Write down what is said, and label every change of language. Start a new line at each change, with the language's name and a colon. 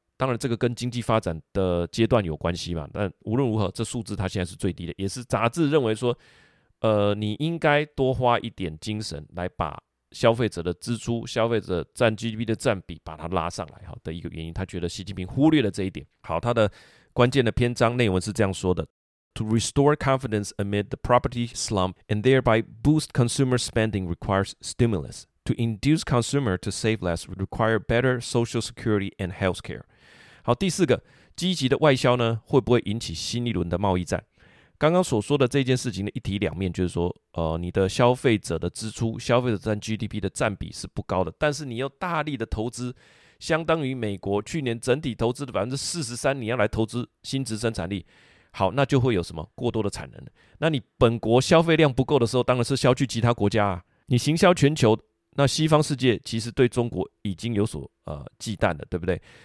Chinese: 当然这个跟经济发展的阶段有关系嘛，但无论如何这数字它现在是最低的，也是杂志认为说你应该多花一点精神来把消费者的支出，消费者占 GDP 的占比把它拉上来的一个原因，他觉得习近平忽略了这一点。好，他的关键的篇章内文是这样说的，
English: To restore confidence amid the property slump and thereby boost consumer spending requires stimulus. To induce consumer to save less require better social security and healthcare.
Chinese: 好，第四个，积极的外销呢，会不会引起新一轮的贸易战？刚刚所说的这件事情的一体两面，就是说你的消费者的支出，消费者占 GDP 的占比是不高的，但是你又大力的投资，相当于美国去年整体投资的 43%， 你要来投资新值生产力，好，那就会有什么过多的产能，那你本国消费量不够的时候，当然是销去其他国家啊，你行销全球，那西方世界其实对中国已经有所忌惮了，对不对？